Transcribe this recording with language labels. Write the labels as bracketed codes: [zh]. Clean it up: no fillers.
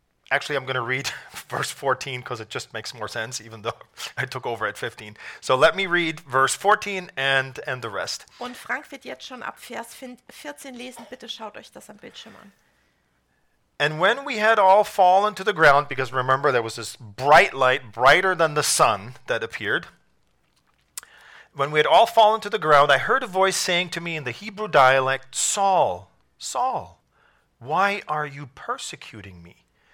[en] Actually, I'm going to read verse 14 because it just makes more sense, even though I took over at 15. So let me read verse 14 and the rest. [de] Und Frank wird jetzt schon ab Vers 14 lesen. Bitte schaut euch das am Bildschirm an. [en] And when we had all fallen to the ground, because remember there was this bright light, brighter than the sun, that appeared. When we had all fallen to the ground, I heard a voice saying to me in the Hebrew dialect, Saul, Saul, why are you persecuting me?